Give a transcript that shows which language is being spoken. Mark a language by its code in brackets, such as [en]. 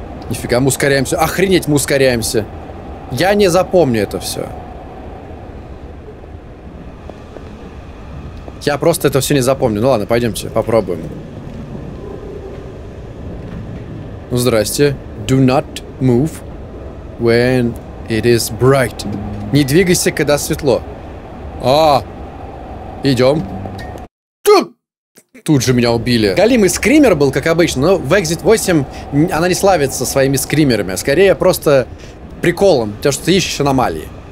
[ru] Нифига, мы ускоряемся. Охренеть, мы ускоряемся. Я не запомню это все. Я просто это все не запомню. Ну ладно, пойдемте, попробуем. Ну, здрасте. [en] Do not move when it is bright. [ru] Не двигайся, когда светло. А, идем. Тут же меня убили. Галимый скример был, как обычно, но в Exit 8 она не славится своими скримерами, а скорее просто приколом, потому что ты ищешь аномалии.